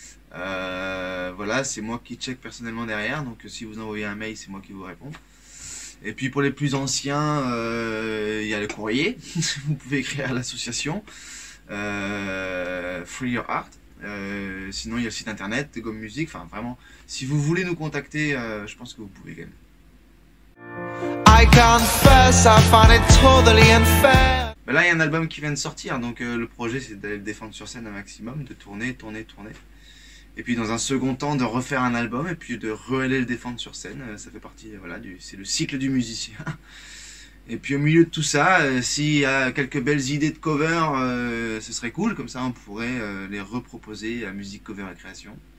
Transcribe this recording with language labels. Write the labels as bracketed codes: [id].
[fr] Voilà, c'est moi qui check personnellement derrière, donc si vous envoyez un mail, c'est moi qui vous réponds. Et puis pour les plus anciens, il y a le courrier, vous pouvez écrire à l'association Free Your Art. Sinon, il y a le site internet, Gomme Musique, enfin vraiment, si vous voulez nous contacter, je pense que vous pouvez également. [en] I confess, I find it totally unfair. [fr] Ben là, il y a un album qui vient de sortir, donc le projet, c'est d'aller le défendre sur scène un maximum, de tourner, tourner, tourner. Et puis dans un second temps de refaire un album et puis de re-aller le défendre sur scène, ça fait partie, voilà, c'est le cycle du musicien. Et puis au milieu de tout ça, s'il y a quelques belles idées de cover, ce serait cool, comme ça on pourrait les reproposer à Musique Cover et Création.